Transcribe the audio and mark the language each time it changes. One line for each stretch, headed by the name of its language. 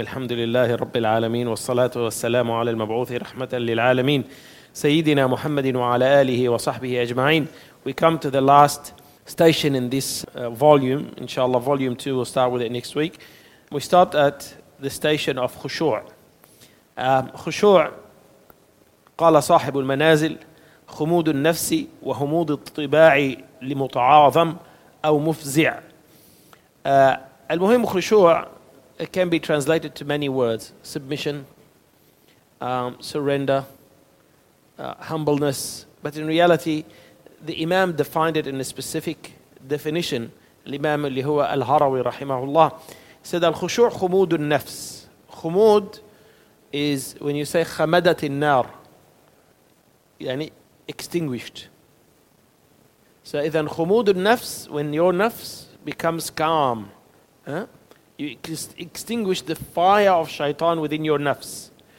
Arabic: الحمد لله رب العالمين، والصلاة والسلام على المبعوث رحمة للعالمين سيدنا محمد وعلى آله وصحبه أجمعين.
English: We come to the last station in this volume. Inshallah, volume 2, we'll start with it next week. We stopped at the station of خشوع.
Arabic: خشوع قال صاحب المنازل خمود النفس وهمود الطباع لمتعاظم أو مفزع. المهم خشوع,
English: it can be translated to many words: submission, surrender, humbleness. But in reality, the Imam defined it in a specific definition.
Arabic: الإمام اللي هو الهروي رحمه الله
English: said
Arabic: الخشوع خمود النفس.
English: خمود is when you say
Arabic: خمدت النار, يعني
English: extinguished. So
Arabic: إذا خمود النفس,
English: when your nafs becomes calm, you extinguish the fire of shaitan within your nafs.